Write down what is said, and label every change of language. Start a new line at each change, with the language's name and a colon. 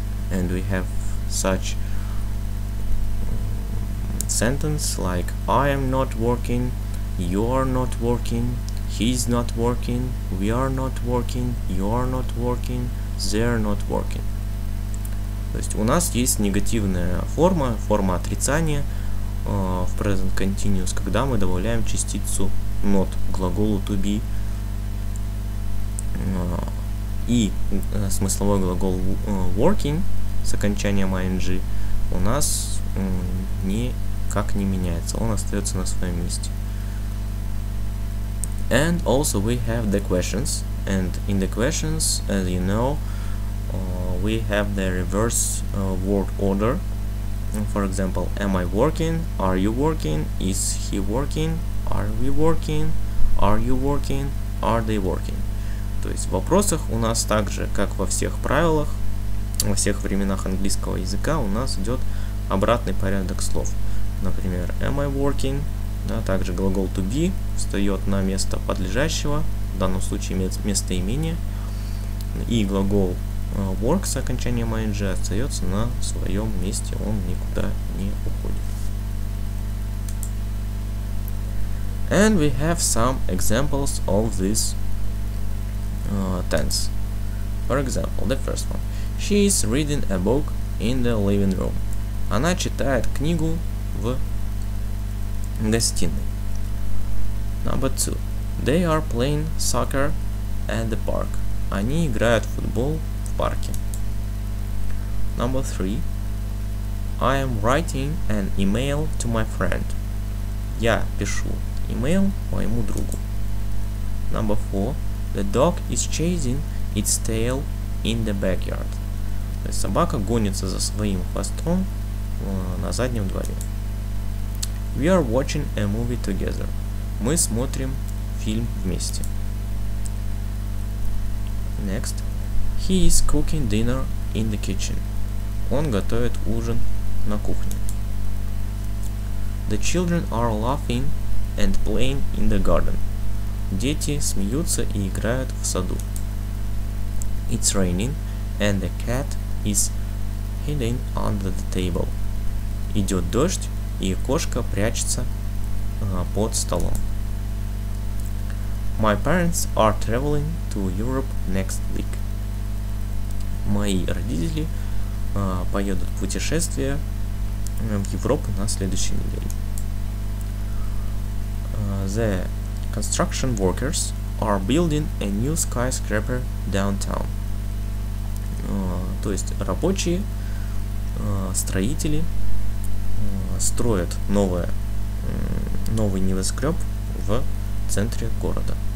English: And we have such sentence like I am not working, you are not working, he is not working, we are not working, you are not working, they are not working.
Russian: То есть у нас есть негативная форма, форма отрицания в present continuous, когда мы добавляем частицу not к глаголу to be и смысловой глагол working с окончанием ing у нас никак не меняется, он остается на своем месте.
English: And also we have the questions, and in the questions, as you know, we have the reverse word order, For example, am I working? Are you working? Is he working? Are we working? Are you working? Are they working?
Russian: То есть в вопросах у нас также, как во всех правилах, во всех временах английского языка, у нас идет обратный порядок слов. Например,
English: am I working?
Russian: Да, также глагол to be встает на место подлежащего, в данном случае имеет местоимение. И глагол work с окончанием ing остается на своем месте, он никуда не уходит.
English: And we have some examples of this tense. For example, the first one. She is reading a book in the living room.
Russian: Она читает книгу в гостиной.
English: Number two. They are playing soccer at the park.
Russian: Они играют в футбол в парке.
English: Number three. I am writing an email to my friend.
Russian: Я пишу email моему другу.
English: Number four. The dog is chasing its tail in the backyard.
Russian: То есть собака гонится за своим хвостом на заднем дворе.
English: We are watching a movie together.
Russian: Мы смотрим фильм вместе.
English: Next. He is cooking dinner in the kitchen.
Russian: Он готовит ужин на кухне.
English: The children are laughing and playing in the garden.
Russian: Дети смеются и играют в саду.
English: It's raining and the cat is hidden under the table.
Russian: Идет дождь, и кошка прячется под столом.
English: My parents are traveling to Europe next week.
Russian: Мои родители поедут в путешествие в Европу на следующей неделе.
English: The construction workers are building a new skyscraper downtown.
Russian: То есть рабочие, строители строят новый небоскреб в центре города.